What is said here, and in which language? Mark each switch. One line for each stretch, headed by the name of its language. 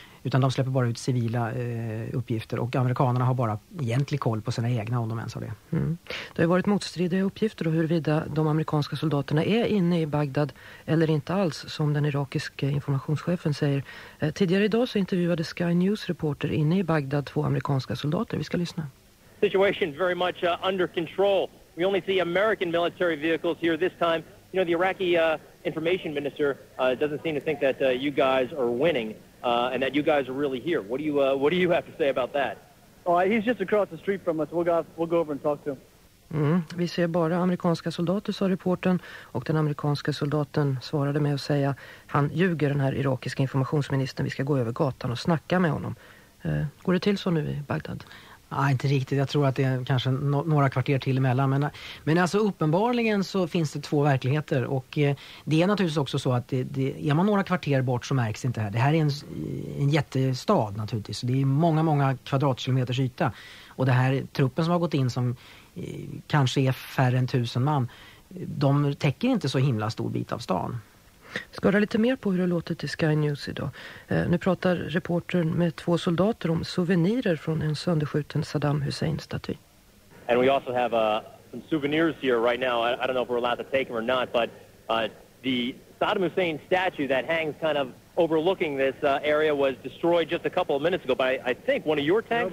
Swedish: utan de släpper bara ut civila uppgifter, och amerikanerna har bara egentlig koll på sina egna, om de ens har det. Mm. Det har varit motstridiga uppgifter och huruvida de amerikanska soldaterna är inne i Bagdad eller inte alls, som den irakiska informationschefen säger. Tidigare idag så intervjuade Sky News reporter inne i Bagdad två amerikanska soldater. Vi ska lyssna.
English: Situation very much under control. We only see American military vehicles here this time. You know, the Iraqi information minister doesn't seem to think that you guys are winning and that you guys are really here. What do you have to say about that? Oh, he's just across the street from us. We'll go over and talk to him. Mm.
Swedish: Vi ser bara amerikanska soldater, sa reporten, och den amerikanska soldaten svarade med att säga: han ljuger, den här irakiska informationsministern. Vi ska gå över gatan och snacka med honom. Går det till så nu i Bagdad? Ja, inte riktigt. Jag tror att det är kanske några kvarter till emellan. Men alltså, uppenbarligen så finns det två verkligheter. Och det är naturligtvis också så att är man några kvarter bort så märks det inte här. Det här är en jättestad naturligtvis. Det är många, många kvadratkilometers yta. Och det här truppen som har gått in, som kanske är färre än 1000 man, de täcker inte så himla stor bit av stan. Ska du lite mer på hur det låter till Sky News idag? Nu pratar reportern med två soldater om souvenirer från en sönderskjuten Saddam Hussein-staty.
English: And we also have some souvenirs here right now. I don't know if we're allowed to take them or not, but the Saddam Hussein statue that hangs kind of overlooking this area was destroyed just a couple of minutes ago by, I think, one of your tanks?